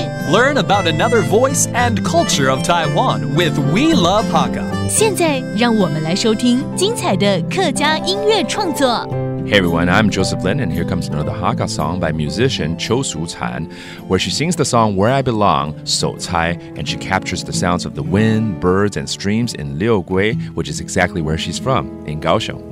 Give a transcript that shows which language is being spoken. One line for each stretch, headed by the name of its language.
English: Learn about another voice and culture of Taiwan with We Love Hakka.
Chinese: 现在让我们来收听精彩的客家音乐创作。
English: Hey everyone, I'm Joseph Lin, and here comes another Hakka song by musician Chiu Shu Chan, where she sings the song Where I Belong, So Cai, and she captures the sounds of the wind, birds, and streams in Liugui, which is exactly where she's from, in Kaohsiung.